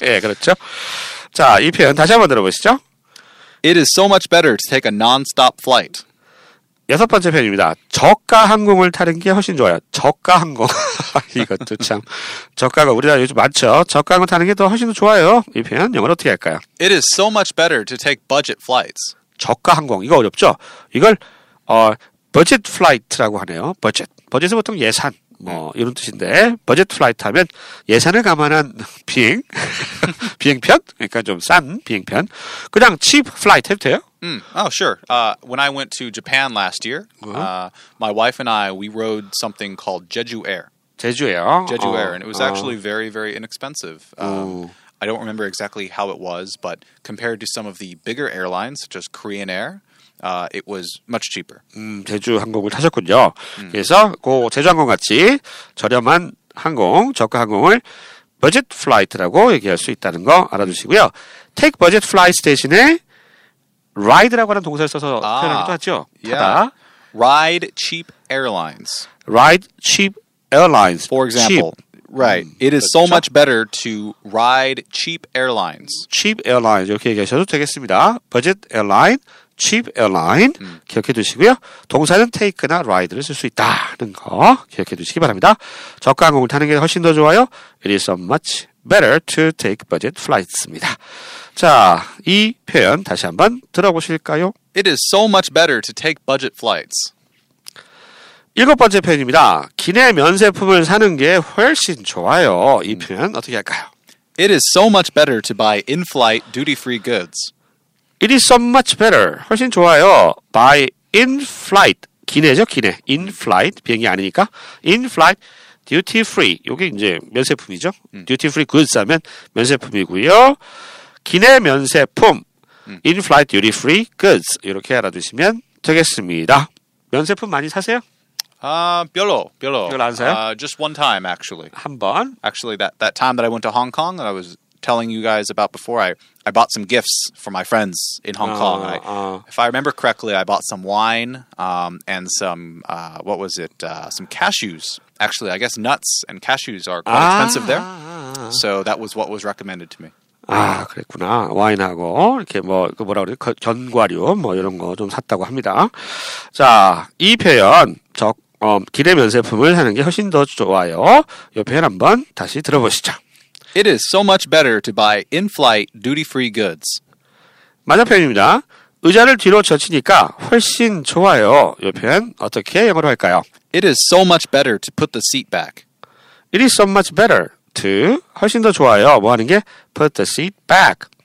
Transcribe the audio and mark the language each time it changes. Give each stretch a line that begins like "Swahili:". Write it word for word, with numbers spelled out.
Korean: 예 그렇죠 자 이 표현 다시 한번 들어보시죠
English: It is so much better to take a non-stop flight
Korean: 여섯 번째 표현입니다 저가 항공을 타는 게 훨씬 좋아요 저가 항공 이것도 참 저가가 우리나라 요즘 많죠 저가 항공 타는 게 더 훨씬 더 좋아요 이 표현 영어로 어떻게 할까요?
English: It is so much better to take budget flights.
Korean: 저가 항공 이거 어렵죠? 이걸 어 budget flight라고 하네요.
English: budget.
Korean: budget은 보통 예산 뭐 이런 뜻인데 budget flight 하면 예산을 감안한 비행 비행편 그러니까 좀 싼 비행편 그냥 cheap flight 해도 돼요?
English: Mm. Oh, sure. Uh, when I went to Japan last year, uh-huh. uh, my wife and I, we rode something called Jeju Air. Jeju Air. Jeju Air. And it was actually very, very inexpensive. Um, I don't remember exactly how it was, but compared to some of the bigger airlines, such as Korean Air, uh, it was much cheaper.
Korean: 음, 제주 항공을 타셨군요. 음. 그래서 그 제주 항공 같이 저렴한 항공, 저가 항공을 budget flight라고 얘기할 수 있다는 거 알아두시고요.
English: take budget flights
Korean: 대신에 ride라고 하는 동사를 써서 아, 표현하기도 하죠.
English: Yeah. Ride cheap airlines. Ride cheap airlines. For example, cheap. right. 음, It is
Korean: 그렇죠?
English: so much better to ride cheap airlines.
Korean: Cheap airlines 이렇게 얘기하셔도 되겠습니다.
English: Budget airline, cheap airline 음.
Korean: 기억해 두시고요. 동사는 take나 ride를 쓸 수 있다는 거 기억해 두시기 바랍니다. 저가 항공을 타는 게 훨씬 더 좋아요.
English: It is so much better to take budget flights입니다.
Korean: 자, 이 표현 다시 한번 들어보실까요?
English: It is so much better to take budget flights.
Korean: 일곱 번째 표현입니다. 기내 면세품을 사는 게 훨씬 좋아요. 이 표현 어떻게 할까요?
English: It is so much better to buy in-flight duty-free goods. It is so much better.
Korean: 훨씬 좋아요.
English: Buy in-flight.
Korean: 기내죠, 기내.
English: In-flight.
Korean: 비행이 아니니까.
English: In-flight. duty free.
Korean: 요게 이제 면세품이죠. 음. duty free goods 하면 면세품이고요. 기내 면세품. 음.
English: in flight duty free goods.
Korean: 이렇게 알아두시면 되겠습니다. 면세품 많이 사세요? 아, uh, 별로. 별로. 별로 안 사요?
English: Uh, just one time actually.
Korean: 한 번.
English: Actually that that time that I went to Hong Kong and I was telling you guys about before I I bought some gifts for my friends in Hong uh, Kong. I, uh. If I remember correctly, I bought some wine um and some uh what was it? Uh, some cashews. Actually, I guess nuts and cashews are quite 아, expensive there. 아, 아, 아. So that was what was recommended to me.
Korean: 아, 그랬구나. 와인하고 이렇게 뭐 그 뭐라 그래? 견과류 뭐 이런 거 좀 샀다고 합니다. 자, 이 표현 적 어, 기내 면세품을 사는 게 훨씬 더 좋아요. 이 표현 한번 다시 들어보시죠. It is so much better to buy in-flight duty-free goods. 맞아 표현입니다. 의자를 뒤로 젖히니까 훨씬 좋아요. 이 표현 어떻게 영어로 할까요?
English: It is so much better to put the seat back. It is so much better to
Korean: 훨씬 더 좋아요. 뭐 하는 게
English: put the seat back.